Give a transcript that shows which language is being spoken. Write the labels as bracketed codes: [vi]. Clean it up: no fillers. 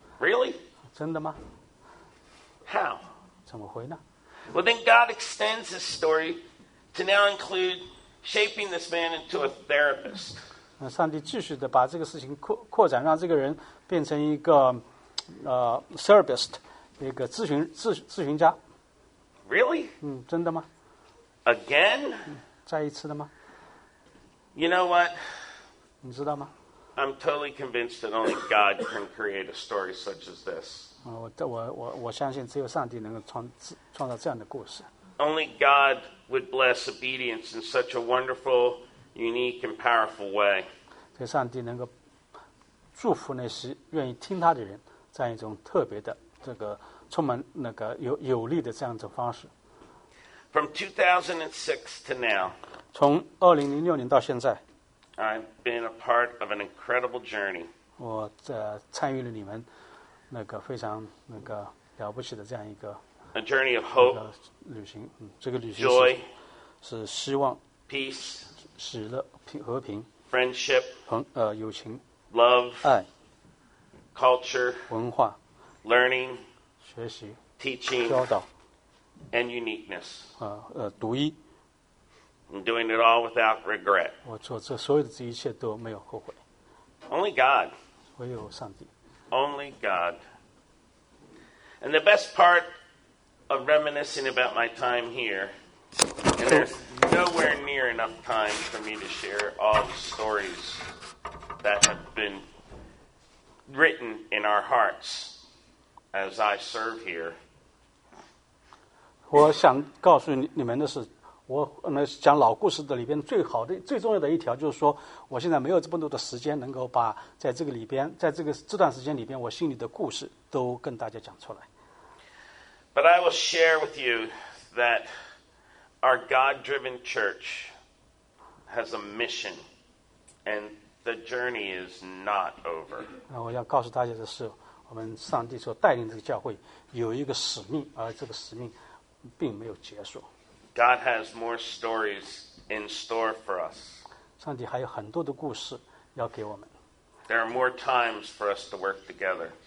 [en] ？Really? [zh] 真的吗 [en] ？How? [zh] 怎么会呢 [en] ？Well, then God extends his story to now include shaping this man into a therapist. [zh] 上帝继续的把这个事情 扩展，让这个人变成一个therapist， 一个咨询家。 [en] Really? [zh] 真的吗 [en] ？Again? [zh] 再一次的吗 [en] ？You know what? [zh] 你知道吗 [en] ？I'm totally convinced that only God can create a story such as this. [zh] 我相信只有上帝能够创造这样的故事。 [en] Only God would bless obedience in such a wonderful, unique and powerful way. [zh] 这上帝能够祝福那些愿意听他的人，在一种特别的这个充满那个有力的这样的方式。 [en] From 2006 to now. [zh] 从2006年到现在。 [en] I've been a part of an incredible journey. [zh] 我参与了你们那个非常那个了不起的这样一个。 [en] A journey of hope. [zh] 旅行，这个旅行是。 [en] Joy. [zh] 是希望。 [en] Peace. [zh] 喜乐平和平 [en] ，friendship [zh] 友情 [en] ，love [zh] 爱 [en] ，culture [zh] 文化 [en] ，learning [zh] 学习 [en] ，teaching [zh] 教导 [en] ，and uniqueness [zh] 独一 [en] ，and doing it all without regret [zh] 我做这所有的这一切都没有后悔 [en] ，only God [zh] 唯有上帝 [en] ，only God and the best part of reminiscing about my time here. And there's nowhere near enough time for me to share all the stories that have been written in our hearts as I serve here. [zh] 我想告诉你们的是，我讲老故事的里边最好的、最重要的一条，就是说，我现在没有这么多的时间能够把在这个里边，在这个这段时间里边，我心里的故事都跟大家讲出来。 [en] But I will share with you that. Our God-driven church has a mission, and the journey is not over. [zh] 我要告诉大家的是，我们上帝所带领这个教会有一个使命，而这个使命并没有结束。 [en] God has more stories in store for us. [zh] 上帝还有很多的故事要给我们。 [en] There are more times for us to work together.